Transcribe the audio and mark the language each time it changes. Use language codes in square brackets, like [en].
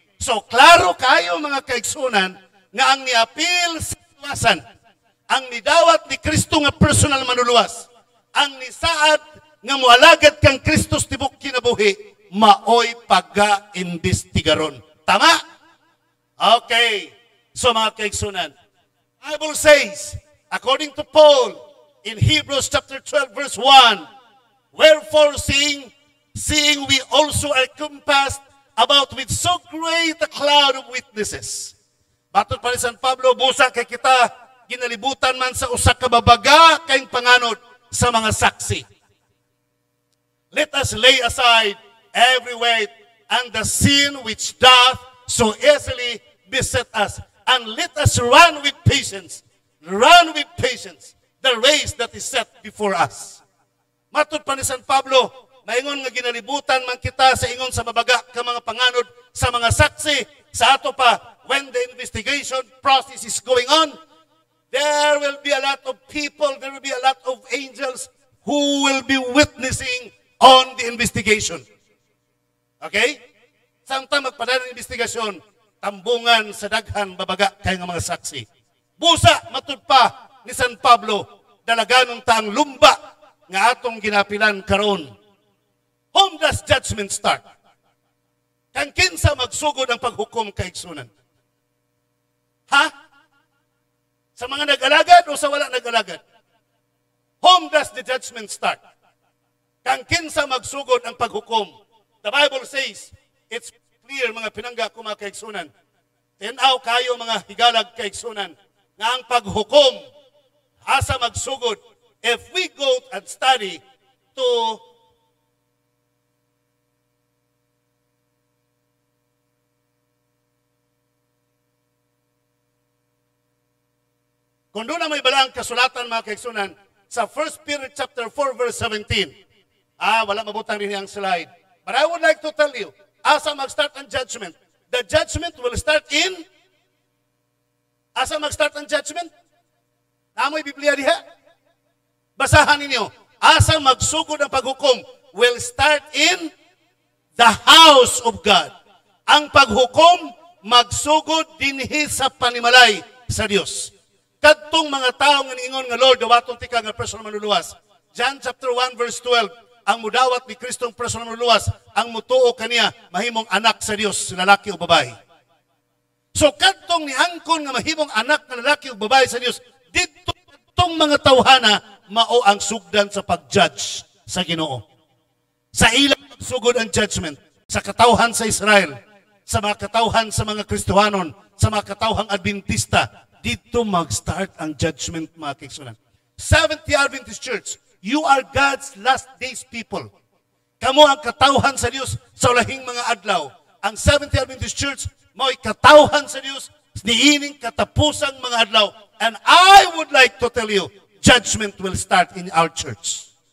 [ceb] So, klaro kayo mga kaigsunan na ang ni-appel sa luwasan, ang nidawat ni Kristo nga personal manuluwas, ang nisaad nga mualagad kang Kristus tibok kinabuhi, maoy pag-a-investigaron. Tama? Okay. [en] So mga kaigsunan, Bible says, according to Paul, in Hebrews chapter 12, verse 1, wherefore seeing we also are compassed about with so great a cloud of witnesses. [ceb] Batod pa ni San Pablo, busa kay kita, ginalibutan man sa usa ka babaga kaing panganod sa mga saksi. [en] Let us lay aside every weight and the sin which doth so easily beset us. And let us run with patience, the race that is set before us. [ceb] Matod pa ni San Pablo, maingon nga ginalibutan man kita sa ingon sa babaga ka mga panganod sa mga saksi. Sa ato pa, [en] when the investigation process is going on, there will be a lot of people, there will be a lot of angels who will be witnessing on the investigation. Okay? [ceb] Samtang magpadala ng investigasyon, tambungan sa daghan, babaga kayong mga saksi. Busa, matud pa ni San Pablo, dalaganong taang lumba nga atong ginapilan karon. [en] Whom does judgment start? [ceb] Kang kinsa magsugod ang paghukom kaigsunan? Ha? Sa mga nag-alagad o sa wala nag-alagad? [en] Whom does the judgment start? [ceb] Kang kinsa magsugod ang paghukom? [en] The Bible says, it's clear, [ceb] mga pinangga ko mga kaigsunan, tinaw kayo mga higalag kaigsunan, na ang paghukom, asa magsugod, if we go and study to kung doon na may balaang kasulatan, mga kaigsunan, sa 1 Peter chapter 4, verse 17. Wala mabutang rin yung slide. [en] But I would like to tell you, [ceb] asa mag-start ang judgment? [en] The judgment will start in? [ceb] Asa mag-start ang judgment? Amoy Biblia diha? Basahan ninyo. Asa magsugod ang paghukom? [en] Will start in the house of God. [ceb] Ang paghukom, magsugod dinhi sa panimalay sa Dios. Kadtong mga tao nga niingon nga Lord, dawaton tika nga personal manuluwas. John chapter 1 verse 12, ang mudawat ni Kristong personal manuluwas, ang mutuo kaniya, mahimong anak sa Dios, lalaki o babae. So kadtong niangkon nga mahimong anak na lalaki o babae sa Dios, dito kadtong mga tawhana mao ang sugdan sa pag-judge sa Ginoo. Sa ilang sugod ang judgment sa katauhan sa Israel, sa mga katauhan sa mga Kristohanon, sa mga katauhang Adventista. Dito mag-start ang judgment, mga kaigsoonan. [en] Seventh-day Adventist Church, you are God's last days people. [ceb] Kamo ang katauhan sa Dios sa ulahing mga adlaw. Ang Seventh-day Adventist Church, mao'y katauhan sa Dios niining katapusang mga adlaw. [en] And I would like to tell you, judgment will start in our church.